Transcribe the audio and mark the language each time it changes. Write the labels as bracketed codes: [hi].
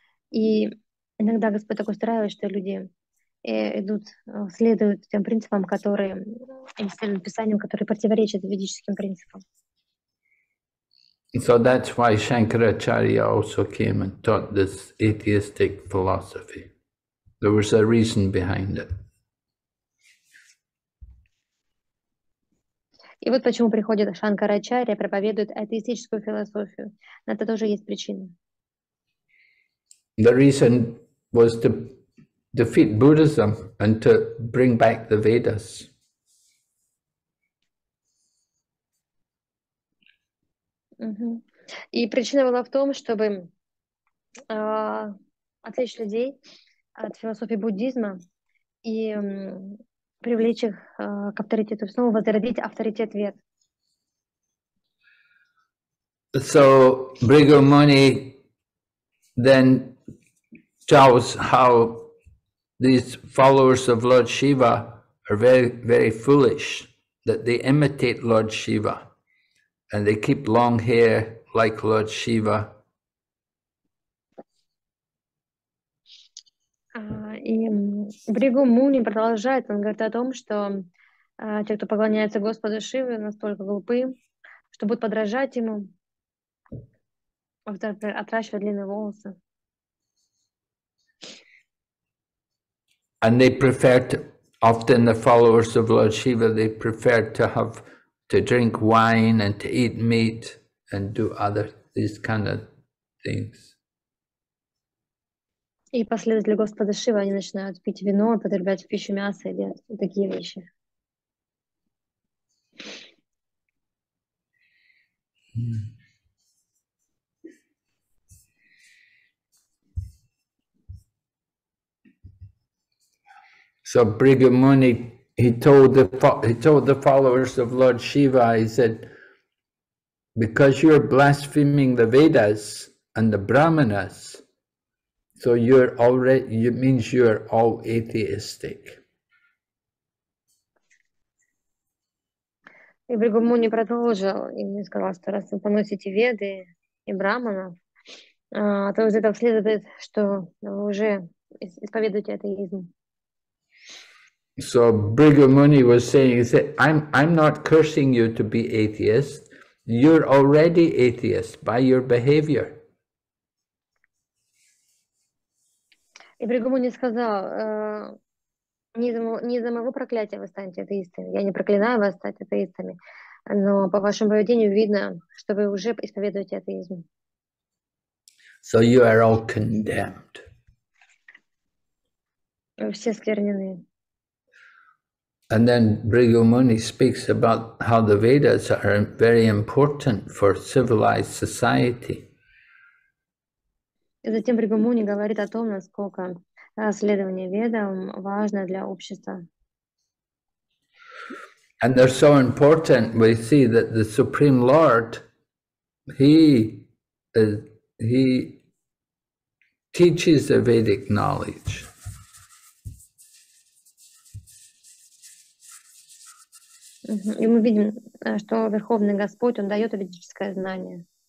[ru] И иногда Господь так устраивает, что люди идут, следуют тем принципам, которые, или тем писаниям, которые противоречат ведическим принципам. [en] So that's why Shankaracharya also came and taught this atheistic philosophy. There was a reason behind it. [ru] И вот почему приходит Шанкарачарья, проповедует атеистическую философию. На это тоже есть причина. [en] The reason was to defeat Buddhism and to bring back the Vedas. [ru] И причина была в том, чтобы отвлечь людей от философии буддизма и привлечь их к авторитету, снова возродить авторитет вед. [en] So Бригу Муни then tells how these followers of Lord Shiva are very, very foolish, that they imitate Lord Shiva and they keep long hair like Lord Shiva. [ru] И Бригу Муни продолжает, он говорит о том, что те, кто поклоняется Господу Шиве, настолько глупы, что будут подражать ему, отращивать длинные волосы. [en] And they prefer to, often the followers of Lord Shiva, they prefer to have, to drink wine and to eat meat and do other, these kind of things. [ru] И последователи Господа Шивы, они начинают пить вино, потреблять в пищу мясо или такие вещи. [en] So Bhrigu Muni, he told the followers of Lord Shiva, he said, because you're blaspheming the Vedas and the Brahmanas, so you're already, it means you're all atheistic. [ru] И Бригу Муни продолжил, и мне сказал, что раз вы поносите Веды и Брахманов, то из этого следует, что вы уже исповедуете атеизм. [en] So Bhrigu Muni was saying, he said, I'm not cursing you to be atheist. You're already atheist by your behavior. [ru] И Бригу Муни сказал, не из-за моего проклятия вы станете атеистами. Я не проклинаю вас стать атеистами. Но по вашему поведению видно, что вы уже исповедуете атеизм. [en] So you are all condemned. [ru] Вы все сквернены. [en] And then Bhrigu Muni speaks about how the Vedas are very important for civilized society. [ru] И затем Бригу Муни говорит о том, насколько следование ведам важно для общества. [en] And they're so important, we see that the Supreme Lord, he teaches the Vedic knowledge. [ru] И мы видим, что Верховный Господь, Он дает ведическое знание.